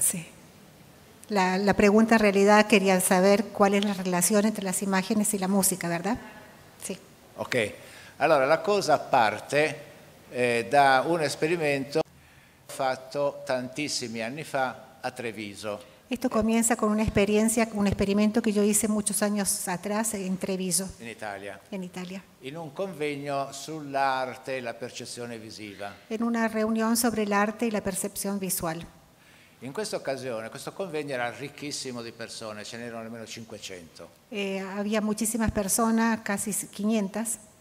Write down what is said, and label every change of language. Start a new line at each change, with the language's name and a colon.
Italian: Sì.
Spanish: La pregunta
Italian: in realtà
Spanish: quería saber
Italian: qual è la relazione tra le immagini e la musica,
Spanish: ¿verdad?
Italian: Sì. Ok. Allora, la cosa parte da un esperimento fatto tantissimi anni fa a Treviso.
Spanish: Esto comienza con una experiencia, un experimento que yo hice muchos años atrás en Treviso. En Italia. En Italia. En un
Italian: convegno sull'arte e la percezione visiva.
Spanish: En una reunión sobre el arte y la percepción visual.
Italian: In questa occasione, questo convegno era ricchissimo di persone, ce n'erano almeno 500.
Spanish: Había muchísimas personas, casi 500.